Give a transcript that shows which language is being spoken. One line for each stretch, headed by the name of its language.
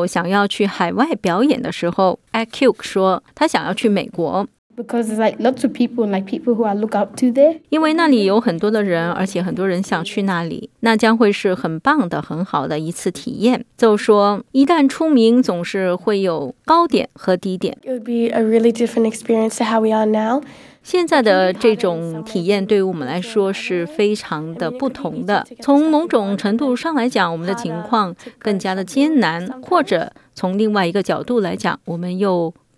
Chinese: 这是让他们继续保持联系作为朋友，特别是现在他们分开了，所以如果他们可以有时间待在一起，那么真的是一个建立联系的非常好的经验。这给了他们一个平台可以发出自己的声音，他们会登上舞台，他们会成长，所以这非常奇妙。当被问到是否想要去海外表演的时候， Acuke 说，他想要去美国，因为那里有很多的人，而且很多人想去那里，那将会是很棒的、很好的一次体验。就说，一旦出名，总是会有高点和低点。It
English: would be a really different experience to how we are now.
Chinese: 现在的这种体验对于我们来说是非常的不同的。从某种程度上来讲，我们的情况更加的艰难，或者从另外一个角度来讲，我们又